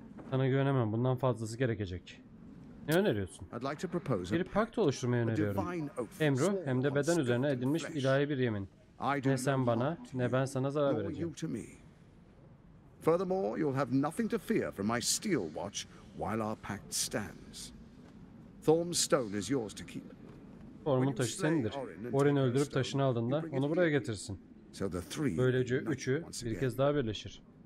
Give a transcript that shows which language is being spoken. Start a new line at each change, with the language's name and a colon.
Turkish: Sana güvenemem. Bundan fazlası gerekecek. Ne öneriyorsun? Bir pakt oluşturmayı öneriyorum. Hem ruh hem de beden üzerine edinmiş ilahi bir yemin. Ne sen bana ne ben sana zarar vereceğim.
English: Furthermore, you'll have nothing to fear from my steel watch while our pact stands. Thorm's stone is yours to keep.
Turkish: Thorm'un taşı senindir. Orin'i öldürüp taşını aldığında onu buraya getirsin. Böylece üçü bir kez daha birleşir.